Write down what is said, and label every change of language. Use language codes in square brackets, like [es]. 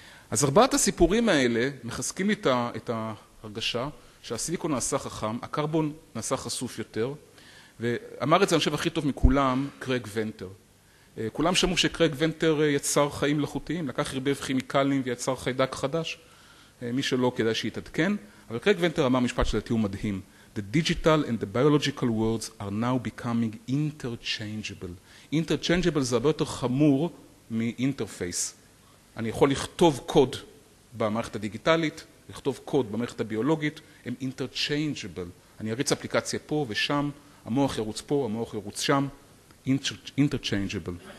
[he] אז ארבעת הסיפורים האלה מחזקים לי את ההרגשה שהסיליקון נעשה חכם, הקרבון נעשה חשוף יותר, ואמר את זה אני חושב הכי טוב מכולם, קרג ונטר. כולם שמעו שקרג ונטר יצר חיים לחוטיים, לקח הרבה כימיקלים ויצר חיידק חדש, מי שלא כדאי שיתעדכן, אבל קרג ונטר אמר משפט שלדעתי הוא מדהים. [en] The digital and the biological worlds are now becoming interchangeable. [he] Interchangeable זה הרבה יותר חמור מ-interface. אני יכול לכתוב קוד במערכת הדיגיטלית, לכתוב קוד במערכת הביולוגית, הם interchangeable. אני אריץ אפליקציה פה ושם, המוח ירוץ פה, המוח ירוץ שם, interchangeable.